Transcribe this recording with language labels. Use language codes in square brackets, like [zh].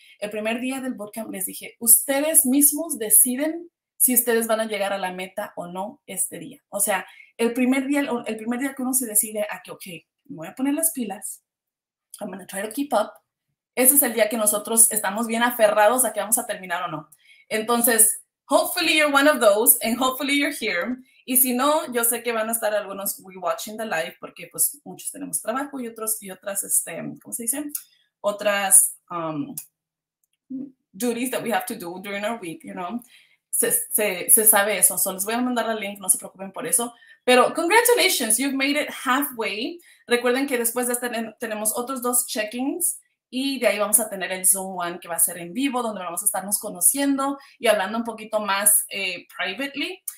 [es] El primer día del bootcamp les dije, ustedes mismos deciden si ustedes van a llegar a la meta o no este día. O sea, el primer día que uno se decide a que, ok, me voy a poner las pilas, [en] I'm going to try to keep up, [es] ese es el día que nosotros estamos bien aferrados a que vamos a terminar o no. [en] Entonces, hopefully you're one of those, and hopefully you're here. [es] Y si no, yo sé que van a estar algunos [en] re-watching the live, [es] porque pues muchos tenemos trabajo y otros, ¿cómo se dice? [en] Otras duties that we have to do during our week, you know. [es] Se sabe eso, so les voy a mandar el link, no se preocupen por eso. Pero [en] congratulations, you've made it halfway. [es] Recuerden que después de este tenemos otros dos check-ins y de ahí vamos a tener el Zoom One que va a ser en vivo, donde vamos a estarnos conociendo y hablando un poquito más privately.